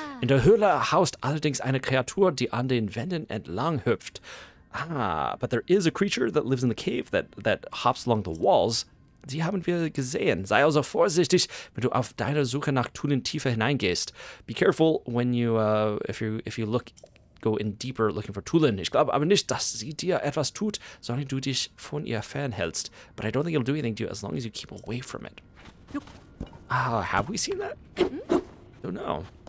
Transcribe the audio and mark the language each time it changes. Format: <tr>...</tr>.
<de>In der Höhle haust allerdings eine Kreatur, die an den Wänden entlang hüpft.</de> <en>Ah, but there is a creature that lives in the cave that hops along the walls.</en> <de>Die haben wir gesehen. Sei also vorsichtig, wenn du auf deiner Suche nach Tulin tiefer hineingehst.</de> <en>Be careful when you if you go in deeper looking for Tulin.</en> <de>Ich glaube aber nicht, dass sie dir etwas tut, sondern du dich von ihr fernhältst.</de> <en>But I don't think it'll do anything to you as long as you keep away from it. Have we seen that? I don't know.</en>